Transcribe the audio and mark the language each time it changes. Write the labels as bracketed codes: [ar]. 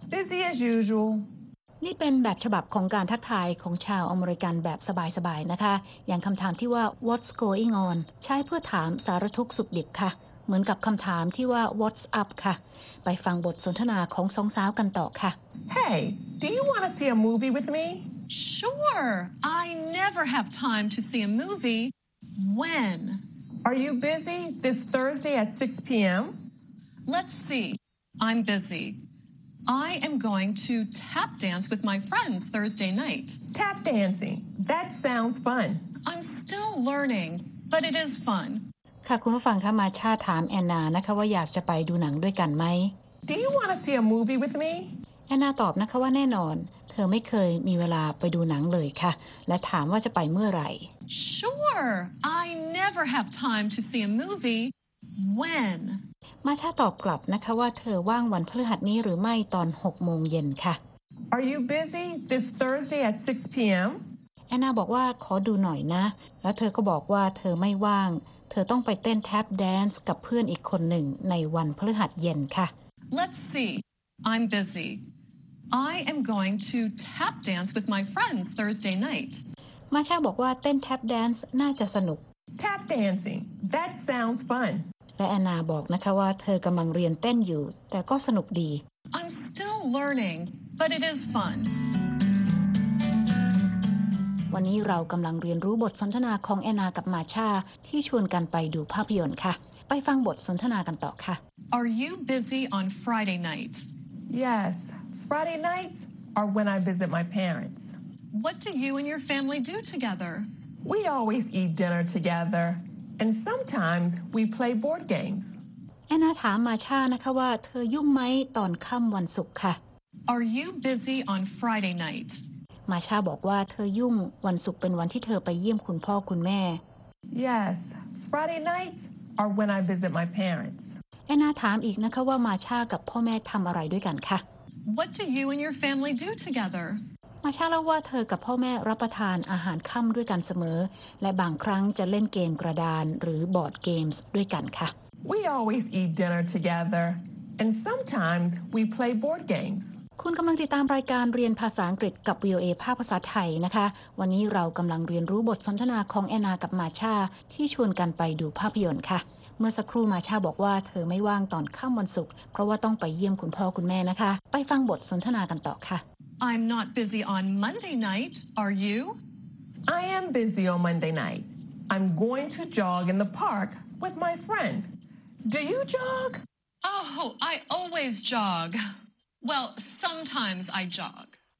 [en] Busy as usual. [th] นี่เป็นแบบฉบับของการทักทายของชาวอเมริกันแบบสบายๆนะคะอย่างคำถามที่ว่า [en] What's going on? [th] ใช้เพื่อถามสารทุกข์สุขดิบค่ะเหมือนกับคำถามที่ว่า [en] What's up? [th] ค่ะไปฟังบทสนทนาของสองสาวกันต่อค่ะ [en] Hey, do you want to see a movie with me? Sure. I never have time to see a movie. When? Are you busy this Thursday at 6 p.m.? Let's see. I'm busy. I am going to tap dance with my friends Thursday night. Tap dancing. That sounds fun. I'm still learning, but it is fun. [th] ค่ะคุณผู้ฟังคะมาชาถามแอนนานะคะว่าอยากจะไปดูหนังด้วยกันไหม [en] Do you want to see a movie with me? [th] แอนนาตอบนะคะว่าแน่นอนเธอไม่เคยมีเวลาไปดูหนังเลยค่ะและถามว่าจะไปเมื่อไหร่ [en] Sure. I never have time to see a movie. When? [th] มาชาตอบกลับนะคะว่าเธอว่างวันพฤหัสนี้หรือไม่ตอน6โมงเย็นค่ะ [en] Are you busy this Thursday at 6 p.m. [th] แอนนาบอกว่าขอดูหน่อยนะแล้วเธอก็บอกว่าเธอไม่ว่างเธอต้องไปเต้นแท็บแดนซ์กับเพื่อนอีกคนหนึ่งในวันพฤหัสเย็นค่ะ [en] Let's see I'm busy I am going to tap dance with my friends Thursday night [th] มาชาบอกว่าเต้นแท็บแดนซ์น่าจะสนุก [en] Tap dancing That sounds fun [th] และแอนนาบอกนะคะว่าเธอกำลังเรียนเต้นอยู่แต่ก็สนุกดี [en] I'm still learning, but it is fun. [th] วันนี้เรากำลังเรียนรู้บทสนทนาของแอนนากับมาชาที่ชวนกันไปดูภาพยนตร์ค่ะไปฟังบทสนทนากันต่อค่ะ [en] Are you busy on Friday night? Yes, Friday nights are when I visit my parents. What do you and your family do together? We always eat dinner together. And sometimes we play board games. [th] Anna ถามมาชานะคะว่าเธอยุ่งไหมตอนค่ำวันศุกร์ค่ะ [en] Are you busy on Friday night? [th] มาชาบอกว่าเธอยุ่งวันศุกร์เป็นวันที่เธอไปเยี่ยมคุณพ่อคุณแม่ [en] Yes, Friday nights are when I visit my parents. [th] Anna ถามอีกนะคะว่ามาชากับพ่อแม่ทำอะไรด้วยกันค่ะ [en] What do you and your family do together? [th] มาชาเล่าว่าเธอกับพ่อแม่รับประทานอาหารค่ำด้วยกันเสมอและบางครั้งจะเล่นเกมกระดานหรือบอร์ดเกมส์ด้วยกันค่ะ [en] We always eat dinner together and sometimes we play board games [th] คุณกำลังติดตามรายการเรียนภาษาอังกฤษกับ VOA ภาคภาษาไทยนะคะวันนี้เรากำลังเรียนรู้บทสนทนาของแอนนากับมาชาที่ชวนกันไปดูภาพยนตร์ค่ะเมื่อสักครู่มาชาบอกว่าเธอไม่ว่างตอนค่ำวันศุกร์เพราะว่าต้องไปเยี่ยมคุณพ่อคุณแม่นะคะไปฟังบทสนทนากันต่อค่ะ [en] I'm not busy on Monday night, are you? I am busy on Monday night. I'm going to jog in the park with my friend. Do you jog? Oh, I always jog. Well, sometimes I jog.